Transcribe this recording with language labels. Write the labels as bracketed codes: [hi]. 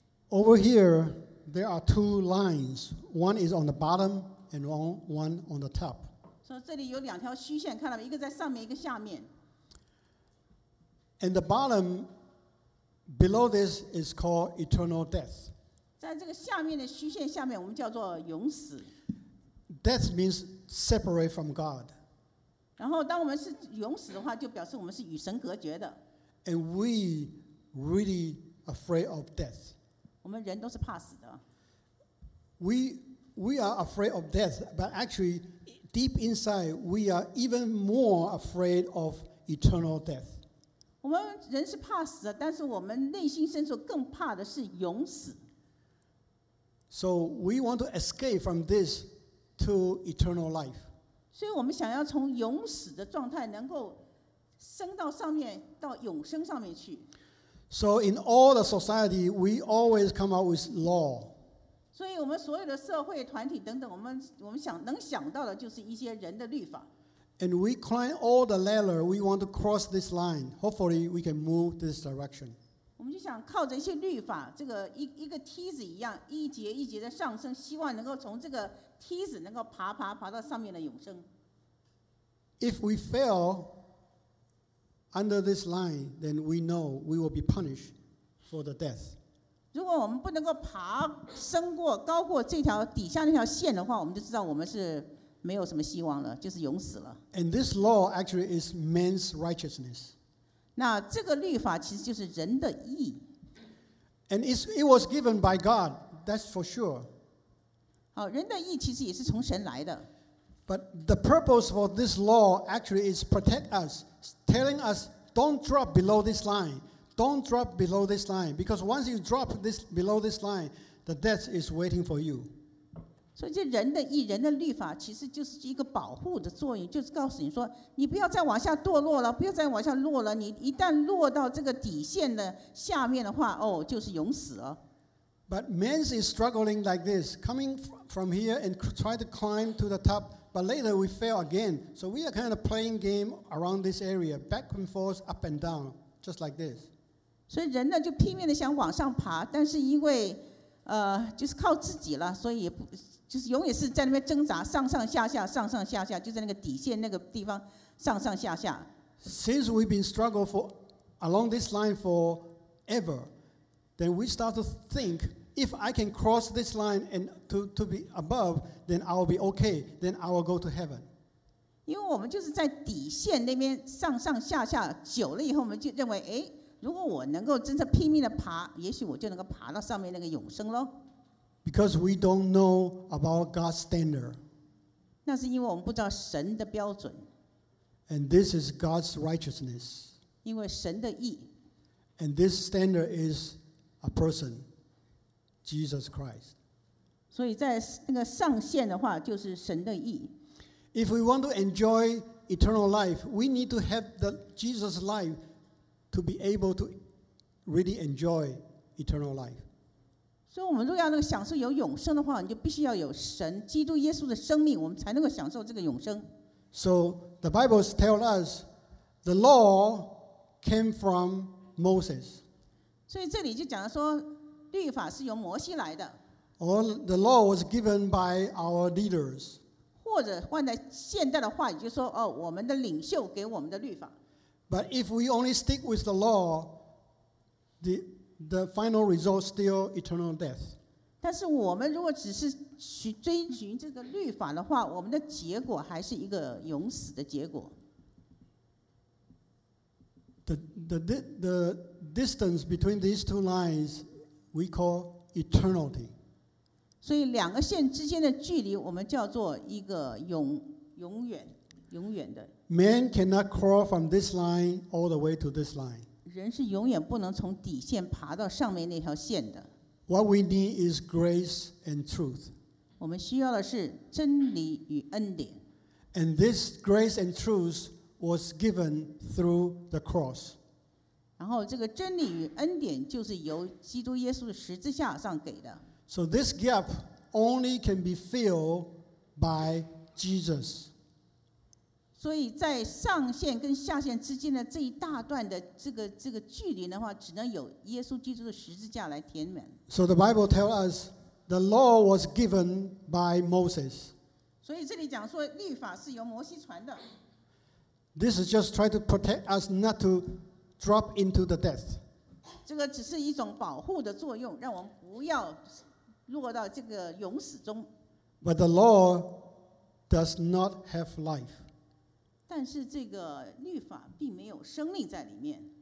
[en] Over here, there are two lines. One is on the bottom, and one on the top. [zh] 所以这里有两条虚线，看到没？一个在上面，一个下面。 [en] And the bottom below this is called eternal death. [zh] 在这个下面的虚线下面，我们叫做永死。 [en] Death means separate from God. [zh] 然后，当我们是永死的话，就表示我们是与神隔绝的。 [en] And we really afraid of death. [zh] 我们人都是怕死的。 [en] We are afraid of death, but actually, deep inside, we are even more afraid of eternal death. [zh] 我们人是怕死的，但是我们内心深处更怕的是永死。 [en] So we want to escape from this to eternal life. [zh] 所以我们想要从永死的状态能够升到上面，到永生上面去。 [en] So in all the society, we always come up with law. [zh] 所以我们所有的社会团体等等，我们想能想到的就是一些人的律法。 [en] And we climb all the ladder. We want to cross this line. Hopefully, we can move this direction. [zh] 我们就想靠着一些律法，这个一个梯子一样，一节一节的上升，希望能够从这个梯子能够爬到上面的永生。 [en] If we fail under this line, then we know we will be punished for the death. [zh] 如果我们不能够爬升过高过这条底下那条线的话，我们就知道我们是没有什么希望了，就是永死了。 [en] And this law actually is man's righteousness. [zh] 那这个律法其实就是人的义。 [en] And it was given by God, that's for sure. [zh] 好，人的义其实也是从神来的。 [en] But the purpose for this law actually is protect us, telling us don't drop below this line, don't drop below this line, because once you drop this below this line, the death is waiting for you. [zh] 所以这人的义、人的律法其实就是一个保护的作用，就是告诉你说，你不要再往下堕落了，不要再往下落了。你一旦落到这个底线的下面的话，哦，就是永死了。 [en] But man is struggling like this, coming from here and try to climb to the top. But later we fail again. So we are kind of playing game around this area, back and forth, up and down, just like this. [zh] 所以人呢就拼命的想往上爬，但是因为就是靠自己了，所以就是永远是在那边挣扎，上上下下，上上下下，就在那个底线那个地方上上下下。 [en] Since we've been struggling for along this line forever, then we start to think. If I can cross this line and to be above, then I'll be okay. Then I will go to heaven. [zh] 因为我们就是在底线那边上上下下久了以后，我们就认为，哎，如果我能够真正拼命的爬，也许我就能够爬到上面那个永生喽。 [en] Because we don't know about God's standard. [zh] 那是因为我们不知道神的标准。 [en] And this is God's righteousness. [zh] 因为神的义。 [en] And this standard is a person. Jesus Christ. [zh] 所以在那个上限的话，就是神的义。 [en] If we want to enjoy eternal life, we need to have the Jesus life to be able to really enjoy eternal life. [zh] 所以我们如果要那个享受有永生的话，你就必须要有神基督耶稣的生命，我们才能够享受这个永生。 [en] So the Bible tells us the law came from Moses. [zh] 所以这里就讲了说。律法是由摩西来的。 [en] Or the law was given by our leaders. [zh] 或者换在现代的话，也就是说，哦，我们的领袖给我们的律法。 [en] But if we only stick with the law, the final result still eternal death. [zh] 但是我们如果只是去追寻这个律法的话，我们的结果还是一个永死的结果。 [en] The distance between these two lines. We call eternity. [zh] 所以两个线之间的距离，我们叫做一个永远的。 [en] Man cannot crawl from this line all the way to this line. [zh] 人是永远不能从底线爬到上面那条线的。 [en] What we need is grace and truth. [zh] 我们需要的是真理与恩典。 [en] And this grace and truth was given through the cross. [zh] 然后这个真理与恩典就是由基督耶稣的十字架上给的。 [en] So this gap only can be filled by Jesus. [zh] 所以在上限跟下限之间的这一大段的这个距离的话，只能有耶稣基督的十字架来填满。 [en] So the Bible tells us the law was given by Moses. [zh] 所以这里讲说律法是由摩西传的。 [en] This is just trying to protect us not to drop into the death. [zh] 这个只是一种保护的作用，让我们不要落到这个永死中。 [en] But the law does not have life. [zh] 但是这个律法并没有生命在里面。